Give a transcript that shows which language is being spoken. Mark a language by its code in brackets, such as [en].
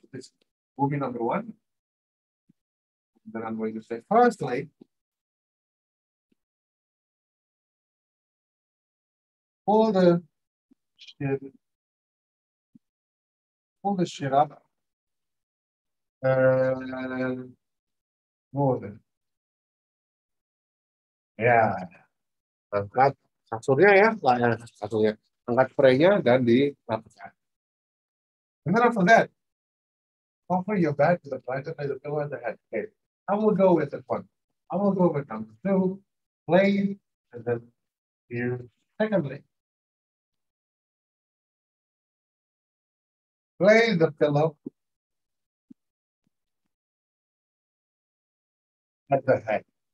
[en] So this will be number one. Then I'm going to say, firstly, pull the sheet up and smooth it. Yeah, [id] angkat kasurnya ya, layar kasurnya. Angkat spraynya dan dilapiskan. [en] And then after that, cover your bed with a blanket and the pillow and the head. Okay. I will go with the one. I will go with number two, lay, and then here, secondly, lay the pillow at the head.